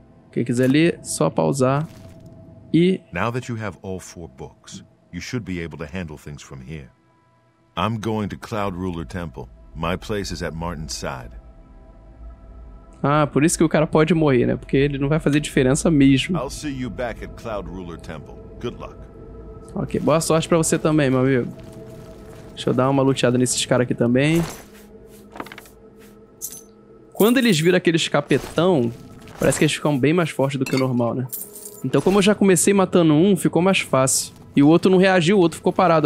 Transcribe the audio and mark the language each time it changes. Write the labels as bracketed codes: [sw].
[pt] Quem quiser ler, só pausar. E... [en] Now that you have all four books, you should be able to handle things from here. I'm going to Cloud Ruler Temple. My place is at Martin's side. [pt] Ah, por isso que o cara pode morrer, né? Porque ele não vai fazer diferença mesmo. [en] I'll see you back at Cloud Ruler Temple. Good luck. [pt] Ok, boa sorte pra você também, meu amigo. Deixa eu dar uma luteada nesses caras aqui também. Quando eles viram aqueles capetão, parece que eles ficam bem mais fortes do que o normal, né? Então, como eu já comecei matando um, ficou mais fácil. E o outro não reagiu, o outro ficou parado.